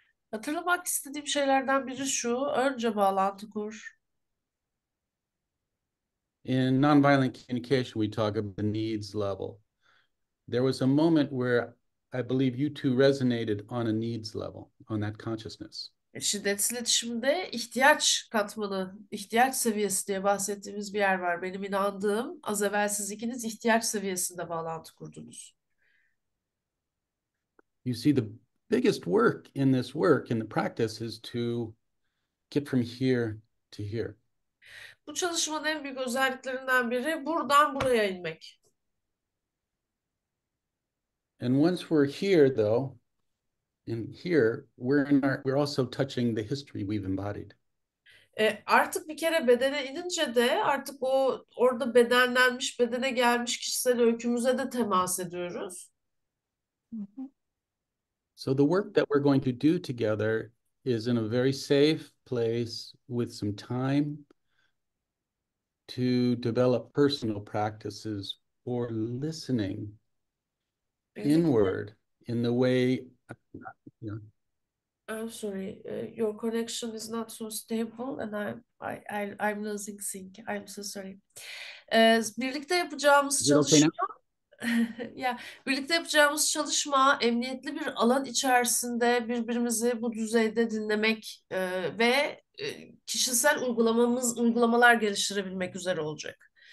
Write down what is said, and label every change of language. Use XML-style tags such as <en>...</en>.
<tr>Hatırlamak istediğim şeylerden biri şu. Önce bağlantı kur.</tr> <en>In nonviolent communication, we talk about the needs level. There was a moment where I believe you two resonated on a needs level, on that consciousness.</en> <tr>Şiddetsiz iletişimde ihtiyaç katmanı, ihtiyaç seviyesi diye bahsettiğimiz bir yer var. Benim inandığım, az evvel siz ikiniz ihtiyaç seviyesinde bağlantı kurdunuz.</tr> <en>You see, the biggest work in this work, in the practice, is to get from here to here.</en> <tr>Bu çalışmanın en büyük özelliklerinden biri buradan buraya inmek.</tr> <en>And once we're here, though, in here, we're also touching the history we've embodied.</en> <tr>Artık bir kere bedene inince de artık o orada bedenlenmiş, bedene gelmiş kişisel öykümüze de temas ediyoruz.</tr> <en>So the work that we're going to do together is in a very safe place with some time to develop personal practices or listening inward in the way. I'm sorry, your connection is not so stable and I'm losing sync. I'm so sorry.</en> <tr>Birlikte yapacağımız</tr> <en>Is it okay</en> <tr>çalışma</tr> <en>now?</en> <tr>Ya birlikte yapacağımız çalışma emniyetli bir alan içerisinde birbirimizi bu düzeyde dinlemek ve kişisel uygulamalar geliştirebilmek üzere olacak.</tr>